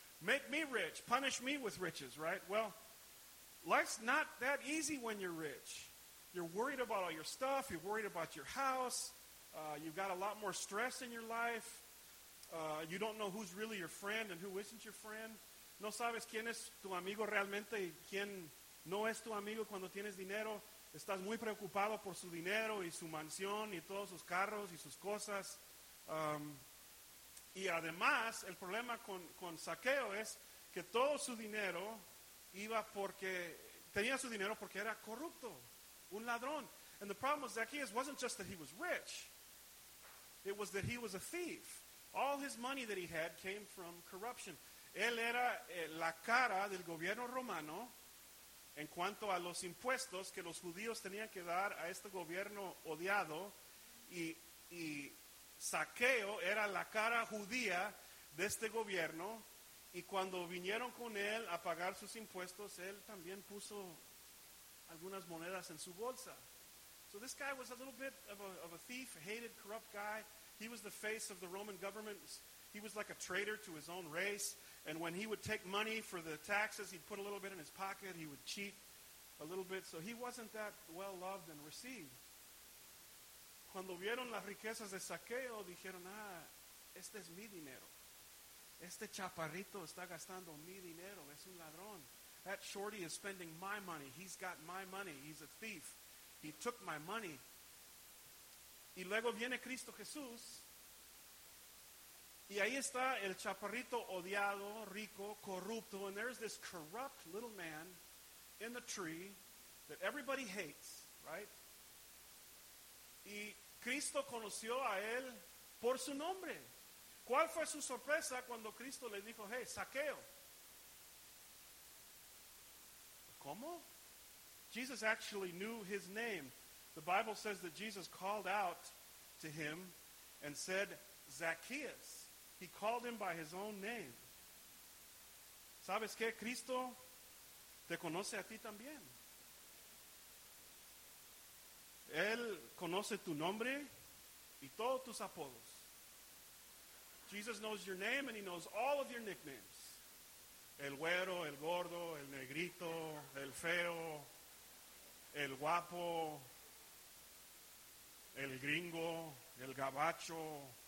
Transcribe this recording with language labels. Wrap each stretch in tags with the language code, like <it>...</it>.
<en>Make me rich. Punish me with riches, right? Well, life's not that easy when you're rich. You're worried about all your stuff. You're worried about your house. You've got a lot more stress in your life. You don't know who's really your friend and who isn't your friend.</en> <es>No sabes quién es tu amigo realmente y quién no es tu amigo cuando tienes dinero. Estás muy preocupado por su dinero y su mansión y todos sus carros y sus cosas. Y además, el problema con Zaqueo es que todo su dinero iba porque tenía su dinero porque era corrupto, un ladrón.</es> <en>And the problem with Zacchaeus wasn't just that he was rich. It was that he was a thief. All his money that he had came from corruption.</en> <es>Él era la cara del gobierno romano en cuanto a los impuestos que los judíos tenían que dar a este gobierno odiado. Y Zaqueo era la cara judía de este gobierno, y cuando vinieron con él a pagar sus impuestos, él también puso algunas monedas en su bolsa.</es> <en>So this guy was a little bit of a thief, hated, corrupt guy. He was the face of the Roman government. He was like a traitor to his own race. And when he would take money for the taxes, he'd put a little bit in his pocket. He would cheat a little bit. So he wasn't that well loved and received.</en> <es>Cuando vieron las riquezas de Zaqueo, dijeron, ah, este es mi dinero. Este chaparrito está gastando mi dinero. Es un ladrón.</es> <en>That shorty is spending my money. He's got my money. He's a thief. He took my money.</en> <es>Y luego viene Cristo Jesús. Y ahí está el chaparrito odiado, rico, corrupto.</es> <en>And there's this corrupt little man in the tree that everybody hates, right?</en> <es>Y Cristo conoció a él por su nombre. ¿Cuál fue su sorpresa cuando Cristo le dijo, hey, Zaqueo? ¿Cómo?</es> <en>Jesus actually knew his name. The Bible says that Jesus called out to him and said, Zacchaeus. He called him by his own name.</en> <es>¿Sabes qué? Cristo te conoce a ti también. Él conoce tu nombre y todos tus apodos.</es> <en>Jesus knows your name and he knows all of your nicknames.</en> <es>El güero, el gordo, el negrito, el feo, el guapo, el gringo, el gabacho.</es>